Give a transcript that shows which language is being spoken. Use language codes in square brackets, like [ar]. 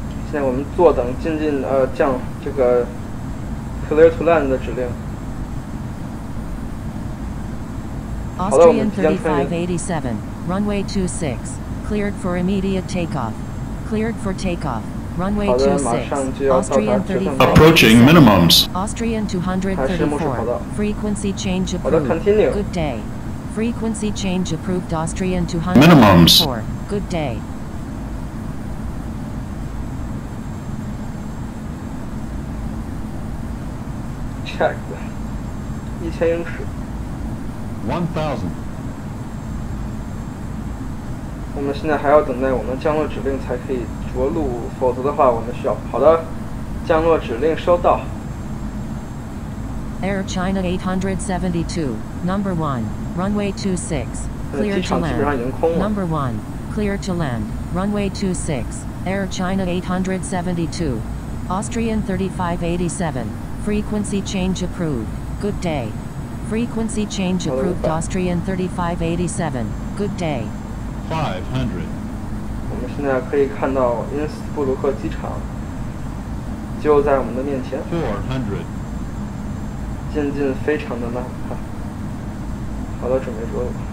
[zh] 现在我们坐等进降这个 [en] clear to land [zh] 的指令。 [en] Austrian 3587, runway 26, cleared for immediate takeoff. Cleared for takeoff, runway 26. Austrian 3587, approaching minimums. Austrian 234, frequency change approved. Good day. Frequency change approved. Austrian 234, good day. Check. [zh] 1000英尺。 1000。我们现在还要等待我们降落指令才可以着陆，否则的话我们需要。好的，降落指令收到。 [en] Air China 872, number one, runway 26, clear to land. Number one, clear to land, runway 26, Air China 872, Austrian 3587, frequency change approved, good day. Frequency change approved, Austrian 3587, good day. 500. [zh] 我们现在可以看到因斯布鲁克机场就在我们的面前。 [en] 400. [zh] 渐渐非常的慢，好的，准备着陆。